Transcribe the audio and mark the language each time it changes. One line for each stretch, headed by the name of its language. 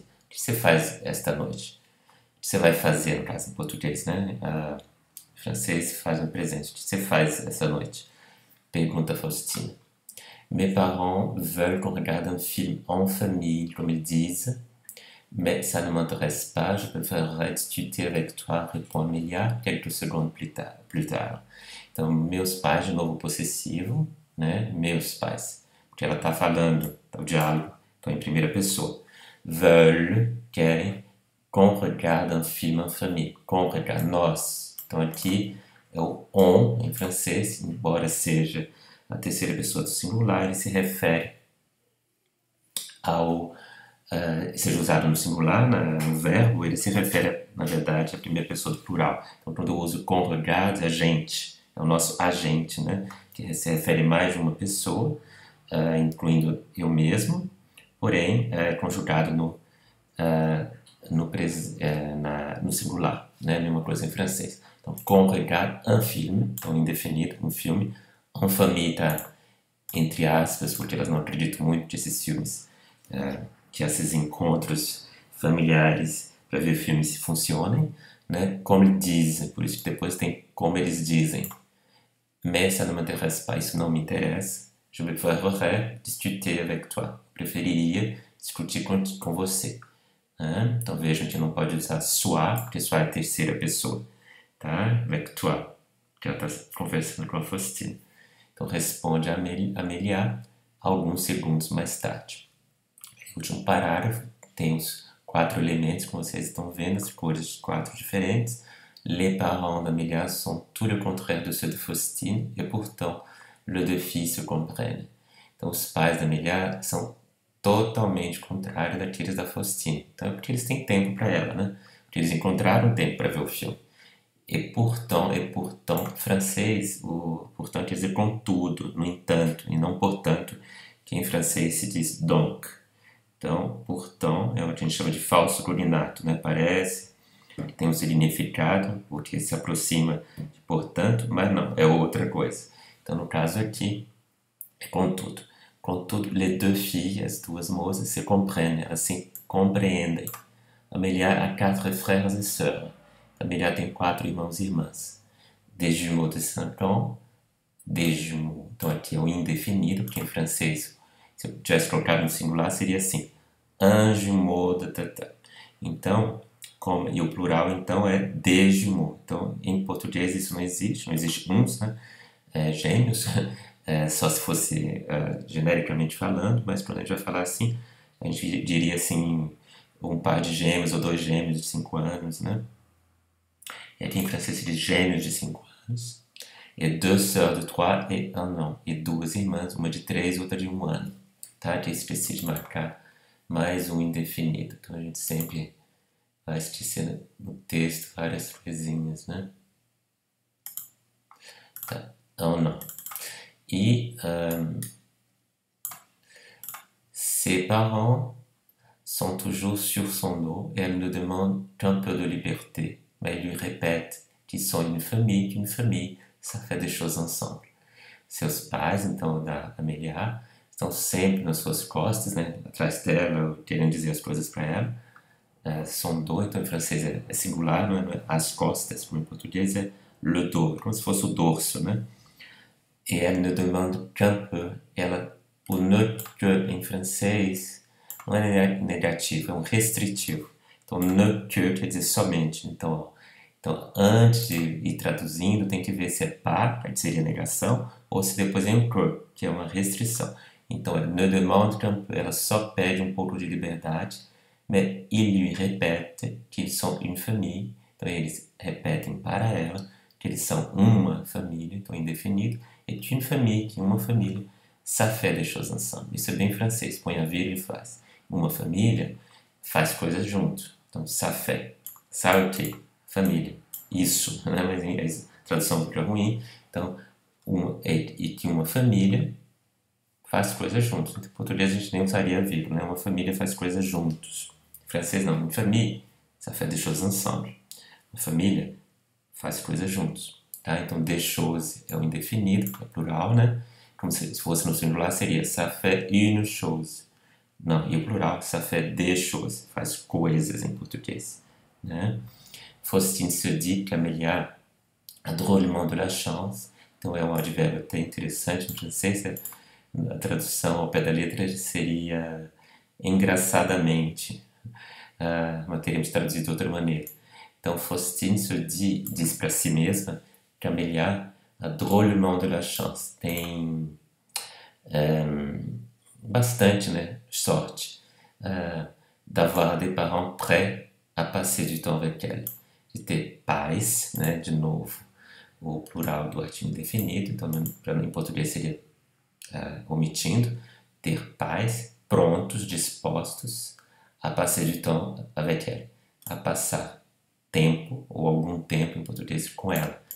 Portuguese: O que você faz esta noite? O que você vai fazer, no caso em português, né? francês, faz um presente. Você faz essa noite? Pergunta Faustina.
French: Mes parents veulent qu'on regarde un film en famille, comme ils disent, mais ça ne m'intéresse pas. Je préférerais discuter avec toi, répond Amelia quelques secondes plus tard.
Portuguese: Então, meus pais, de novo possessivo, né? Meus pais, porque ela está falando, está o diálogo, então em primeira pessoa.
French: Veulent, querem, qu'on regarde un film en famille, qu'on regarde, nós.
Portuguese: Então aqui é o on em francês, embora seja a terceira pessoa do singular, ele se refere ao. Seja usado no singular, no verbo, ele se refere, na verdade, à primeira pessoa do plural. Então, quando eu uso com regards, é a gente, é o nosso agente, né? Que se refere mais de uma pessoa, incluindo eu mesmo, porém, é conjugado no, no, pres, na, no singular, né? Mesma coisa em francês. Então, com regards, un film, então, indefinido, um filme. En famille, entre aspas, porque elas não acreditam muito nesses filmes, que esses encontros familiares para ver filmes funcionem, né? Como dizem, por isso que depois tem como eles dizem.
French: Mais ça ne m'intéresse pas,
Portuguese: isso não me interessa.
French: Je préférerais discuter avec toi.
Portuguese: Preferiria discutir com você. Né? Então vejam que não pode usar soi, porque soi é a terceira pessoa. Tá?
French: Avec toi,
Portuguese: que ela está conversando com a Faustine. Então, responde a Amelia alguns segundos mais tarde. O último parágrafo tem os quatro elementos, como vocês estão vendo, as cores de quatro diferentes.
French: Les parents d'Amelia sont tout le contraire de ceux de Faustine, et pourtant, le deux filles se comprennent.
Portuguese: Então, os pais da Amelia são totalmente contrários daqueles da Faustine. Então, é porque eles têm tempo para ela, né? Porque eles encontraram tempo para ver o filme. E pourtant, francês, o portanto quer dizer com tudo, no entanto, e não portanto, que em francês se diz donc. Então, pourtant, é o que a gente chama de falso cognato, né? Parece, tem um significado, porque se aproxima de portanto, mas não, é outra coisa. Então, no caso aqui, é com tudo. Contudo,
French: les deux filles,
Portuguese: as duas moças,
French: se comprennent,
Portuguese: assim, compreendem.
French: Amelia a quatre frères et sœurs.
Portuguese: A Amelia tem quatro irmãos e irmãs.
French: Des jumeaux de 5 ans. Des jumeaux.
Portuguese: Então aqui é o indefinido, porque em francês, se eu tivesse colocado no singular, seria assim.
French: Un jumeau de tata.
Portuguese: Então, como, e o plural então é
French: des jumeaux.
Portuguese: Então em português isso não existe. Não existe uns, né? Gêmeos. Só se fosse genericamente falando, mas quando a gente vai falar assim, a gente diria assim: um par de gêmeos ou dois gêmeos de 5 anos, né? E aqui em francês diz gêmeos de 5 anos. E
French: deux sœurs de 3 et 1 an.
Portuguese: E duas irmãs, uma de 3 e outra de 1 ano. Tá? Aqui esqueci de marcar mais um indefinido. Então a gente sempre vai esquecendo no texto várias coisinhas, né?
French: Tá. Un an. E ses parents sont toujours sur son dos et elle ne demande qu'un peu de liberté. Mais lui répète qu'ils sont une famille, qu'une famille, ça fait des choses ensemble.
Portuguese: Seus pais, então, da Amelia, estão sempre nas suas costas, né? Atrás dela, querendo dizer as coisas para ela. Son dos, então, em francês é singular, não é? As costas, como em português é le dos, como se fosse o dorso, né?
French: Et elle ne demande qu'un peu.
Portuguese: Ela, o ne que, em francês, não é negativo, é um restritivo. Então, ne que quer dizer somente. Então, antes de ir traduzindo, tem que ver se é par, que seria negação, ou se depois é um que, que é uma restrição. Então, é
French: ne demande qu'un peu,
Portuguese: ela só pede um pouco de liberdade,
French: mais il lui répète qu'ils sont une famille.
Portuguese: Então, eles repetem para ela que eles são uma família, então indefinido,
French: et une famille,
Portuguese: que uma família,
French: ça fait des choses ensemble.
Portuguese: Isso é bem francês, põe a vir e faz. Uma família faz coisas junto. Então, ça fait. Ça o quê? Família. Isso, né? Mas a tradução fica ruim. Então, e que uma família faz coisas juntos. Em português a gente nem usaria vivo, né? Uma família faz coisas juntos. Em francês não.
French: Une famille, ça fait des choses ensemble.
Portuguese: Uma família faz coisas juntos. Tá? Então, des choses é o indefinido, é plural, né? Como se fosse no singular, seria
French: ça fait une chose.
Portuguese: Não, e o plural,
French: ça fait des choses,
Portuguese: faz coisas em português, né?
French: Faustine se dit qu'Amelia Drôlement de la chance.
Portuguese: Então, é um advérbio até interessante no francês. A tradução ao pé da letra seria engraçadamente. Mas teríamos traduzido de outra maneira. Então, Faustine se diz para si mesma que Amélia
French: drôlement de la chance.
Portuguese: Tem bastante, né, sorte.
French: D'avoir des parents prêts à passer du temps avec elle.
Portuguese: De ter pais, né, de novo. O plural do artigo indefinido, então para mim em português seria omitindo, ter pais prontos, dispostos a
French: passer du temps avec elle,
Portuguese: a passar tempo ou algum tempo em português com ela.